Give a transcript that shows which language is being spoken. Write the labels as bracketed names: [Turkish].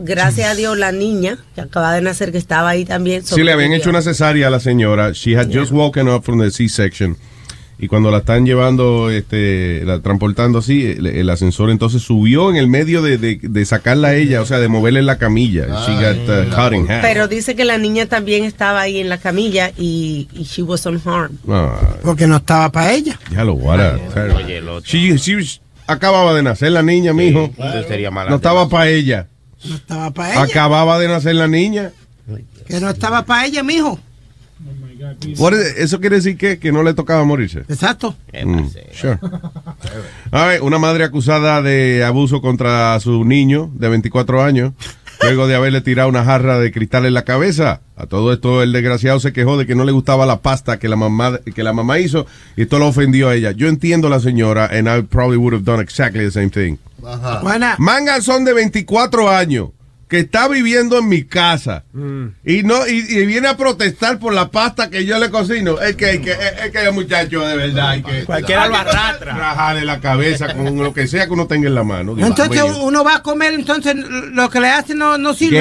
[Spanish] Gracias a Dios, la niña, que acaba de nacer, que estaba ahí también. Sí, le habían hecho una cesárea a la señora. [English] She had just woken up from the C-section. [Spanish] Y cuando la están llevando, la transportando así, el ascensor entonces subió en el medio de sacarla a ella, o sea, de moverle la camilla. [English] Ay, she got cut in half. [Spanish] Pero dice que la niña también estaba ahí en la camilla y [English] she was unharmed. [Spanish] Porque no estaba para ella. Ya lo guarda. She acababa de nacer la niña, mijo. Claro. Entonces sería mala. No estaba para ella. No estaba para ella. Acababa de nacer la niña. Que no estaba para ella, mijo. ¿Eso quiere decir que no le tocaba morirse? Exacto. A ver, una madre acusada de abuso contra su niño de 24 años, luego de haberle tirado una jarra de cristal en la cabeza. A todo esto, el desgraciado se quejó de que no le gustaba la pasta que la mamá hizo, y esto lo ofendió a ella. Yo entiendo a la señora, [English] and I probably would have done exactly the same thing. [Spanish] Ajá. Mangas son de 24 años. que está viviendo en mi casa y viene a protestar por la pasta que yo le cocino. Es que el muchacho de verdad hay que cualquiera lo arrastra. Rajarle la cabeza con lo que sea que uno tenga en la mano. Entonces uno va a comer, entonces lo que le hacen no sirve.